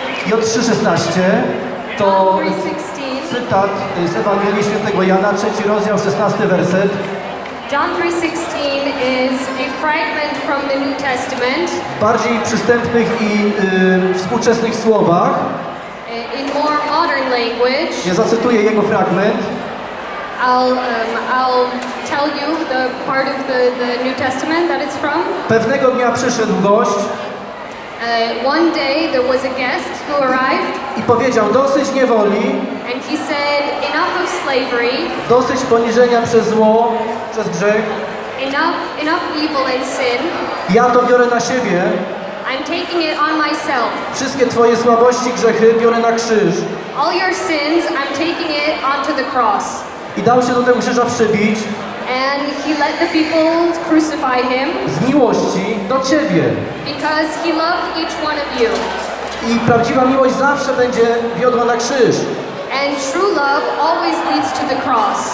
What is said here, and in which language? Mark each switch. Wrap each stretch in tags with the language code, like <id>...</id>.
<pl>3:16 to cytat z Ewangelii Świętego Jana, 3 rozdział, 16 werset.</pl> <en>John 3:16 is a fragment from the New Testament.</en> <pl>W bardziej przystępnych i współczesnych słowach.</pl> <en>In more modern language.</en> <pl>Ja zacytuję jego fragment.</pl> <en>I'll tell you the part of the New Testament that it's from.</en> <pl>Pewnego dnia przyszedł gość.</pl> <en>One day there was a guest who arrived.</en> <pl>I powiedział: dosyć niewoli.</pl> <en>And he said, enough of slavery.</en> <pl>Dosyć poniżenia przez zło, przez grzech.</pl> <en>Enough evil and sin.</en> <pl>Ja to biorę na siebie.</pl> <en>I'm taking it on myself.</en> <pl>Wszystkie twoje słabości, grzechy biorę na krzyż.</pl> <en>All your sins, I'm taking it onto the cross.</en> <pl>I dał się do tego krzyża przybić.</pl> <en>And he let the people crucify him.</en> <pl>Z miłości do ciebie.</pl> <en>Because he loved each one of you.</en> <pl>I prawdziwa miłość zawsze będzie wiodła na krzyż.</pl> <en>And true love always leads to the cross.</en>